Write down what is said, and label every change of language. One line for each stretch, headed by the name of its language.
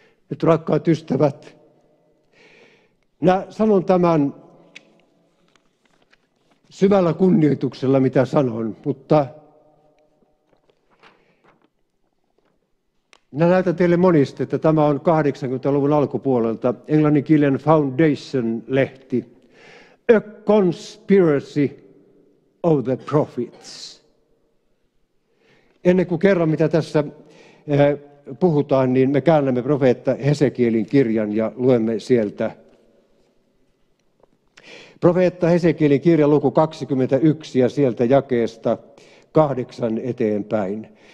Finnish: Nyt rakkaat ystävät, minä sanon tämän syvällä kunnioituksella, mitä sanon, mutta minä näytän teille monista, että tämä on 80-luvun alkupuolelta englanninkielinen Foundation-lehti.
English: A conspiracy of the prophets.
Finnish: Ennen kuin kerran, mitä tässä puhutaan, niin me käännämme profeetta Hesekielin kirjan ja luemme sieltä. Profeetta Hesekielin kirja luku 21 ja sieltä jakeesta 8 eteenpäin.